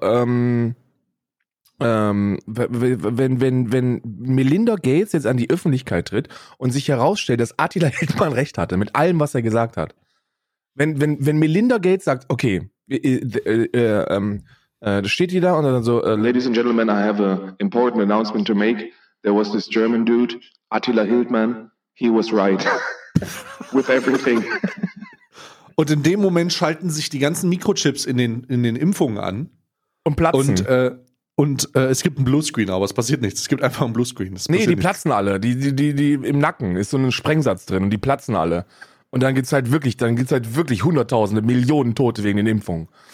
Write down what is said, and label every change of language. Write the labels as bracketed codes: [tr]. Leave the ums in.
[de] Ähm, ähm, wenn, wenn, wenn Melinda Gates jetzt an die Öffentlichkeit tritt und sich herausstellt, dass Attila Hildmann recht hatte mit allem, was er gesagt hat. Wenn, wenn, wenn Melinda Gates sagt, okay, das äh, äh, äh, steht hier da und dann so. [en] Ladies and Gentlemen, I have an important announcement to make. There was this German dude, Attila Hildmann. He was right. With everything. [de] Und in dem Moment schalten sich die ganzen Mikrochips in den, in den Impfungen an. Und platzen. Und, und äh, es gibt einen Bluescreen, aber es passiert nichts. Es gibt einfach einen Bluescreen. Nee, die nichts. platzen alle. Die, die, die, die im Nacken ist so ein Sprengsatz drin und die platzen alle. Und dann gibt's halt wirklich, dann gibt's halt wirklich Hunderttausende, Millionen Tote wegen den Impfungen.